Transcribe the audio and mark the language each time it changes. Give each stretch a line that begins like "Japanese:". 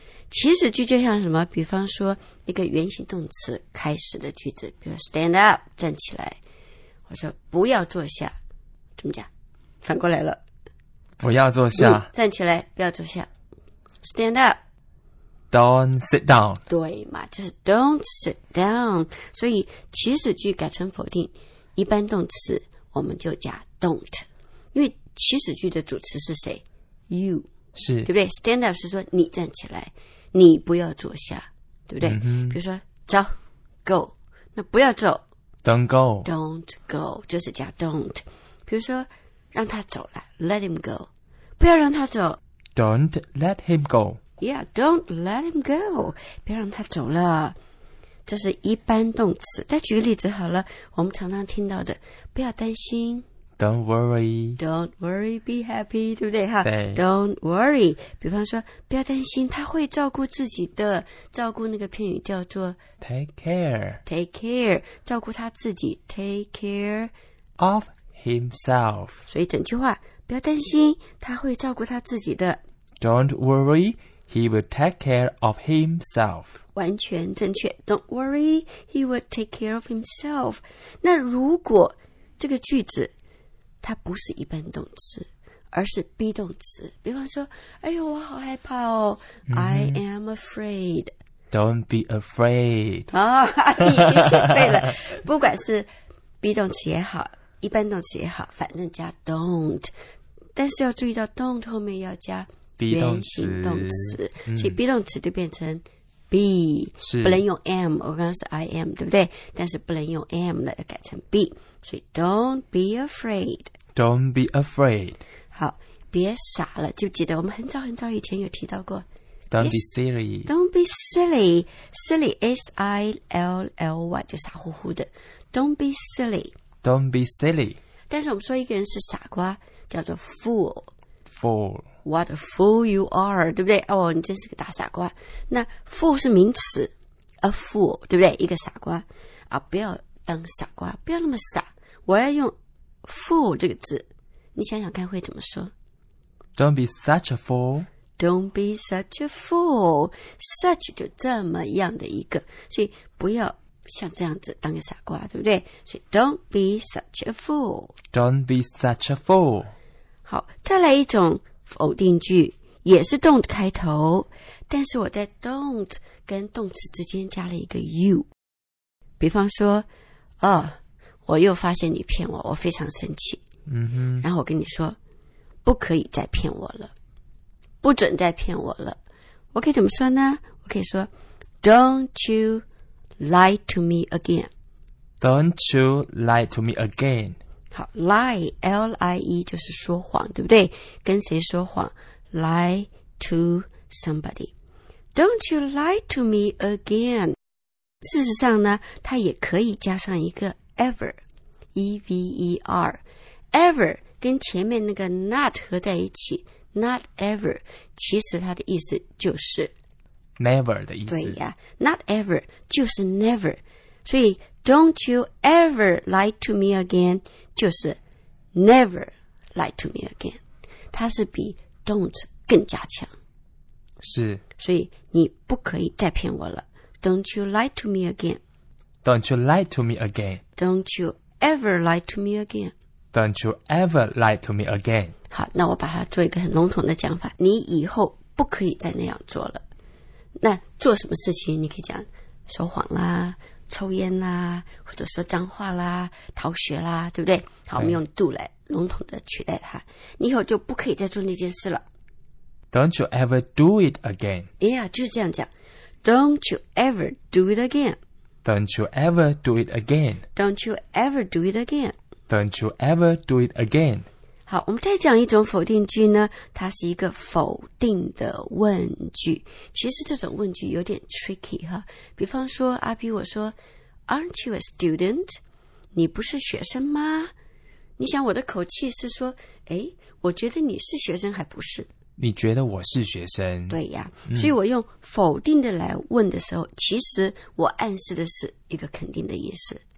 Chinese: 祈使句就像什么，比方说一个原形动词开始的句子，比如
English: stand up
Chinese: 站起来，我说不要坐下，怎么讲，反过来了，不要坐下、站起来不要坐下，
English: stand up Don't sit down.
Chinese: 对嘛，就是
English: don't sit down.
Chinese: 所以祈使句改成否定，一般动词我们就加 don't. 因为祈使句的主词是谁？
English: You.
Chinese: 是。对不对？
English: Stand up
Chinese: 是说你站起来，你不要坐下，对不对？比如说走 go. 那不要走
English: don't go. Don't go.
Chinese: 就是加
English: don't.
Chinese: 比如说让他走了
English: let him go.
Chinese: 不要让他走
English: don't let him go. Yeah, don't let him go.
Chinese: 别让他走了。这是一般动词。再举个例子好了，我们常常听到的，不要担心。
English: Don't worry. Don't worry, be happy,
Chinese: 对不对？对。
English: Don't worry.
Chinese: 比方说，不要担心，他会照顾自己的。照顾那个片语叫做
English: take care. Take care.
Chinese: 照顾他自己
English: take care of himself.
Chinese: 所以整句话，不要担心，他会照顾他自己的。
English: Don't worry, he will take care of himself.
Chinese: 完全正确。
English: Don't worry, he will take care of himself.
Chinese: 那如果这个句子它不是一般动词，而是 be 动词，比方说，哎呦，我好害怕哦。
English: I am afraid. Don't be afraid.
Chinese: 哦，你学会了。不管是 be 动词也好，一般动词也好，反正加 don't. 但是要注意到 don't 后面要加原形动词、所以 be 动词就变成 be，是不能用 am， 我刚刚是 I am 对不对，但是不能用 am 了，改成 be， 所以
English: don't be afraid， don't be afraid，
Chinese: 好，别傻了，记不记得我们很早很早以前有提到过
English: don't be silly， don't be silly， silly S-I-L-L-Y
Chinese: 就傻乎乎的，
English: don't be silly， don't be silly，
Chinese: 但是我们说一个人是傻瓜叫做 fool，
English: fool， What a fool you are,
Chinese: 对不对？哦，你真是个大傻瓜。那 fool 是名词 ，a fool， 对不对？一个傻瓜啊，不要当傻瓜，不要那么傻。我要用 fool 这个字，你想想看会怎么说
English: ？Don't be such a fool. Don't be such a fool.
Chinese: Such 就这么样的一个，所以不要像这样子当个傻瓜，对不对？所以
English: don't be such a fool. Don't be such a fool.
Chinese: 好，再来一种。否定句也是 don't 开头，但是我在 don't 跟动词之间加了一个 you， 比方说哦，我又发现你骗我，我非常生气，然后我跟你说不可以再骗我了，不准再骗我了，我可以怎么说呢？我可以说
English: don't you lie to me again， don't you lie to me again
Chinese: Lie, L-I-E 就是说谎，对不对？跟谁说谎？
English: Lie to somebody. Don't you lie to me again.
Chinese: 事实上呢，它也可以加上一个 ever, E-V-E-R. Ever 跟前面那个 not 合在一起， not ever, 其实它的意思就是 never 的意思。对呀，
English: not ever 就是 never. 所以Don't you ever lie to me again, 就是 never lie to me again.
Chinese: 它是比 don't 更加强。是。所以你不可以再骗我了。 Don't you lie to me again. Don't you lie to me again. Don't you ever lie to me again. Don't you ever lie to me again. 好，那我把它做一个很笼统的讲法。你以后不可以再那样做了。那做什么事情你可以讲说谎啦。抽烟啦，或者说脏话啦，逃学啦，对不对？好，我们用 do 来笼统的取代它。你以后就不可以再做那件事了。
English: Don't you ever do it again?
Chinese: Yeah, 就是这样讲。
English: Don't you ever do it again? Don't you ever do it again? Don't you ever do it again? Don't you ever do it again?
Chinese: 好，我们再讲一种否定句呢，它是一个否定的问句。其实这种问句有点 tricky 哈。比方说阿比我说
English: Aren't you a student?
Chinese: 你不是学生吗？你想我的口气是说，诶，我觉得你是学生还不是？你觉得我是学生？对呀，所以我用否定的来问的时候，其实我暗示的是一个肯定的意思。